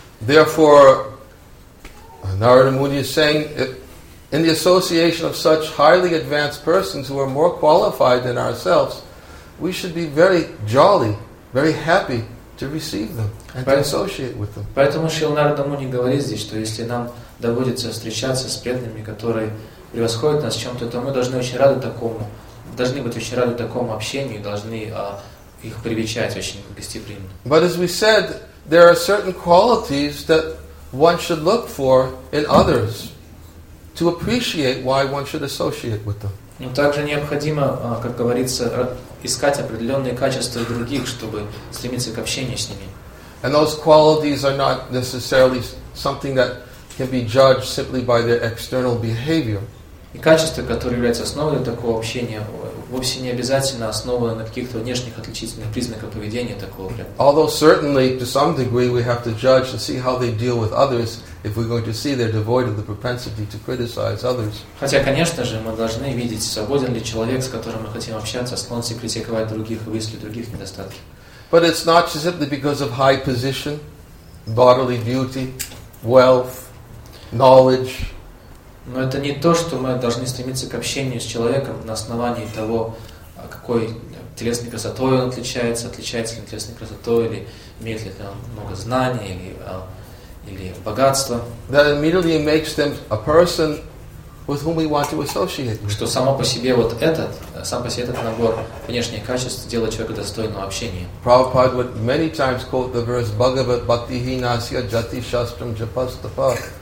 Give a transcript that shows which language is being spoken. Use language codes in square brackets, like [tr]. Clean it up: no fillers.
[en] Therefore, Narada Muni is saying, in the association of such highly advanced persons who are more qualified than ourselves, we should be very jolly, very happy to receive them and to associate with them. [ru] Поэтому Шрила Нарада Муни говорит здесь, что если нам доводится встречаться с преданными, которые превосходят нас в чем-то, то мы должны очень рады такому, должны быть очень рады такому общению, должны их привечать очень гостеприимно. [en] But as we said, there are certain qualities that one should look for in others to appreciate why one should associate with them. [ru] Но также необходимо, как говорится, искать определенные качества других, чтобы стремиться к общению с ними. [en] And those qualities are not necessarily something that can be judged simply by their external behavior. [ru] И качества, которые являются основой такого общения, вовсе не обязательно основана на каких-то внешних отличительных признаках поведения такого прям. [en] Although certainly to some degree we have to judge and see how they deal with others if we're going to see they're devoid of the propensity to criticize others. [ru] Хотя, конечно же, мы должны видеть, свободен ли человек, с которым мы хотим общаться, склонен критиковать других и выискивать других недостатки. [en] But it's not just simply because of high position, bodily beauty, wealth, knowledge. [ru] Но это не то, что мы должны стремиться к общению с человеком на основании того, какой телесной красотой он отличается, отличается ли телесной красотой, или имеет ли там много знаний, или богатства. [en] That immediately makes them a person with whom we want to associate. [ru] Что само по себе вот этот, сам по себе этот набор внешних качеств делает человека достойного общения. [en] Prabhupada would many times quote the verse [sa] Bhagavat Bhakti Hinasya Jati Shastram Japastapa.